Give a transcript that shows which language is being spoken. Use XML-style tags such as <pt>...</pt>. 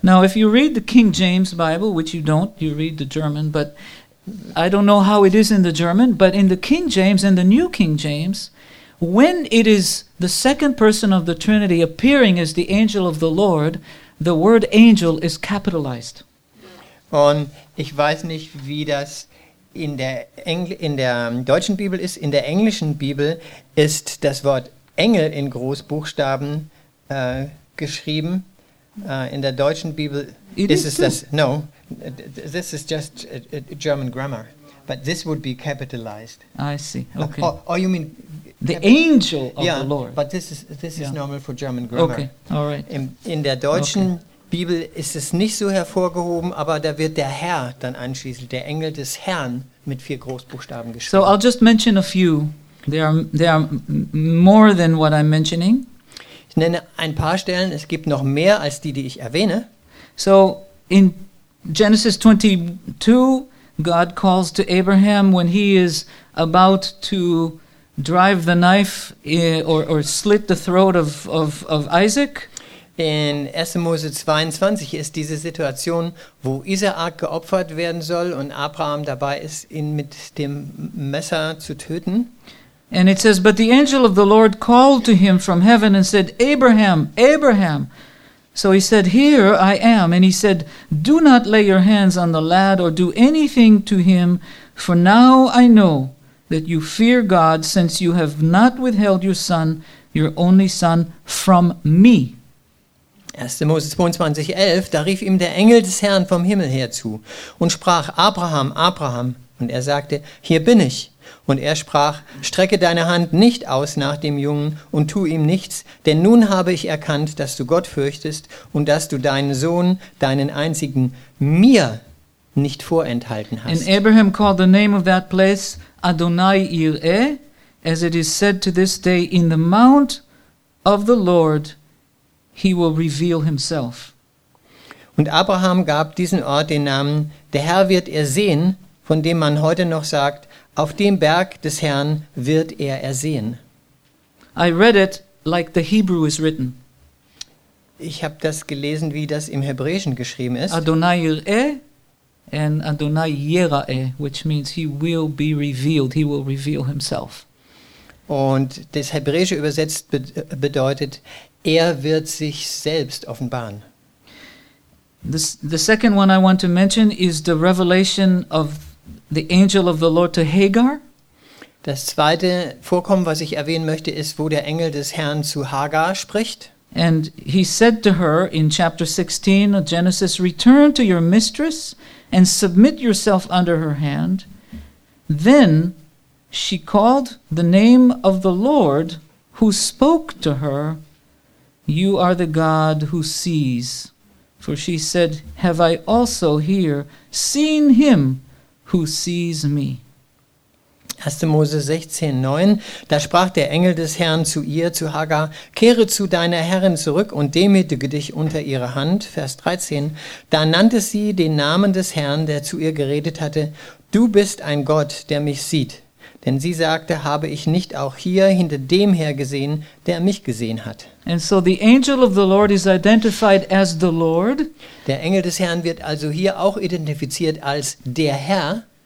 <en>Now, if you read the King James Bible, which you don't, you read the German, but I don't know how it is in the German, but in the King James and the New King James, when it is the second person of the Trinity appearing as the angel of the Lord, the word angel is capitalized.</en> <de>Und ich weiß nicht, wie das in der deutschen Bibel ist. In der englischen Bibel ist das Wort Engel in Großbuchstaben geschrieben. In der deutschen Bibel</de> <en>this is just German grammar. But this would be capitalized. I see. Okay. Or you mean the angel of the Lord? But this is normal for German grammar. Okay. All right.</en> <de>In der deutschen Bibel ist es nicht so hervorgehoben, aber da wird der Herr dann anschließend, der Engel des Herrn, mit vier Großbuchstaben geschrieben.</de> <en>So I'll just mention a few. There are more than what I'm mentioning.</en> <de>Ich nenne ein paar Stellen. Es gibt noch mehr als die ich erwähne.</de> <en>So in Genesis 22. God calls to Abraham when he is about to drive the knife or slit the throat of Isaac.</en> <de>In 1. Mose 22 ist diese Situation, wo Isaak geopfert werden soll und Abraham dabei ist, ihn mit dem Messer zu töten.</de> <en>And it says, but the angel of the Lord called to him from heaven and said, Abraham, Abraham. So he said, here I am. And he said, do not lay your hands on the lad or do anything to him, for now I know that you fear God, since you have not withheld your son, your only son, from me.</en> <de>1. Mose 22, 11, da rief ihm der Engel des Herrn vom Himmel her zu und sprach, Abraham, Abraham. Und er sagte, hier bin ich. Und er sprach, strecke deine Hand nicht aus nach dem Jungen und tu ihm nichts, denn nun habe ich erkannt, dass du Gott fürchtest und dass du deinen Sohn, deinen einzigen, mir nicht vorenthalten hast.</de> <en>And Abraham called the name of that place Adonai Yireh, as it is said to this day, in the mount of the Lord he will reveal himself.</en> <de>Und Abraham gab diesen Ort den Namen, der Herr wird er sehen, von dem man heute noch sagt, auf dem Berg des Herrn wird er ersehen.</de> <en>I read it like the Hebrew is written.</en> <de>Ich habe das gelesen, wie das im Hebräischen geschrieben ist.</de> <en>Adonai Yireh and Adonai Yireh, which means he will be revealed, he will reveal himself.</en> <de>Und das Hebräische übersetzt bedeutet, er wird sich selbst offenbaren.</de> <en>The second one I want to mention is the revelation of the angel of the Lord to Hagar.</en> <de>Das zweite Vorkommen, was ich erwähnen möchte, ist, wo der Engel des Herrn zu Hagar spricht.</de> <en>And he said to her in chapter 16 of Genesis, return to your mistress and submit yourself under her hand. Then she called the name of the Lord who spoke to her, you are the God who sees. For she said, have I also here seen him who sees me?</en> <de>1. Mose 16, 9, da sprach der Engel des Herrn zu ihr, zu Hagar, kehre zu deiner Herrin zurück und demütige dich unter ihre Hand. Vers 13, da nannte sie den Namen des Herrn, der zu ihr geredet hatte, du bist ein Gott, der mich sieht. Denn sie sagte, habe ich nicht auch hier hinter dem hergesehen, der mich gesehen hat.</de> <en>And so the angel of the Lord is identified as the Lord.</en> <de>Der Engel des Herrn wird also hier auch identifiziert als der Herr.</de>